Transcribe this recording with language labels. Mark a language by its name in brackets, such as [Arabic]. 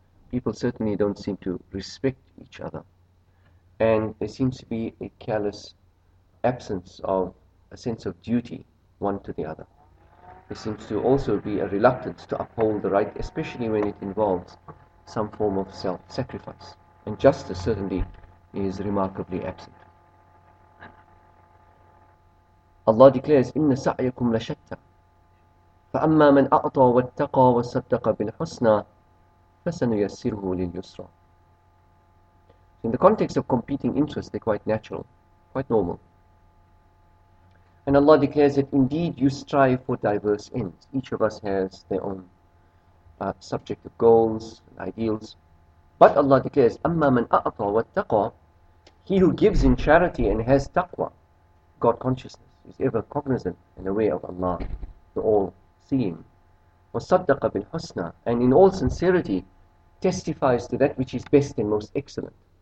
[English] People certainly don't seem to respect each other, and there seems to be a callous absence of a sense of duty one to the other. There seems to also be a reluctance to uphold the right, especially when it involves some form of self-sacrifice, and justice certainly is remarkably absent. Allah declares, [Arabic] إِنَّ سَعْيَكُمْ لَشَتَّى فَأَمَّا مَنْ أَعْطَى وَاتَّقَى وَصَدَّقَ بِالْحُسْنَى فَسَنُيَسِّرُهُ لِلْيُسْرَى. [English] In the context of competing interests, they're quite natural, quite normal. And Allah declares that indeed you strive for diverse ends. Each of us has their own subjective goals and ideals. But Allah declares, [Arabic] أَمَّا مَنْ أَعْطَى وَاتَّقَى, [English] he who gives in charity and has taqwa, God consciousness, is ever cognizant and aware of Allah, the All Seeing, [Arabic] وَصَدَّقَ بِالْحُسْنَى, [English] and in all sincerity testifies to that which is best and most excellent.